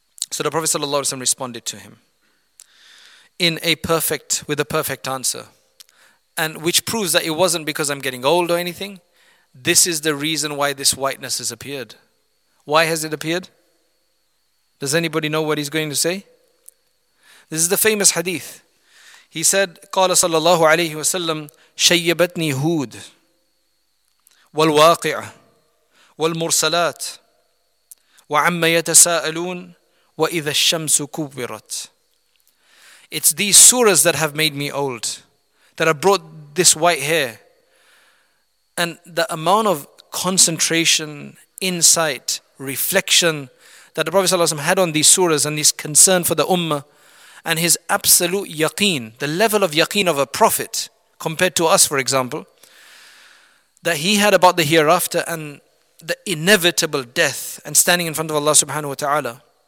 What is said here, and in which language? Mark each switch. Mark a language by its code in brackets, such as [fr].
[en] So the Prophet sallallahu alaihi wasallam responded to him with a perfect answer. And which proves that it wasn't because I'm getting old or anything. This is the reason why this whiteness has appeared. Why has it appeared? Does anybody know what he's going to say? This is the famous hadith. He said, [ar] قال صلى الله عليه وسلم شيبتني هود والواقعة والمرسلات وعما يتساءلون وإذا الشمس كبرت. [en] It's these surahs that have made me old, that have brought this white hair. And the amount of concentration, insight, reflection that the Prophet ﷺ had on these surahs and his concern for the ummah, and his absolute yaqeen, the level of yaqeen of a prophet compared to us, for example, that he had about the hereafter and the inevitable death and standing in front of Allah subhanahu wa ta'ala.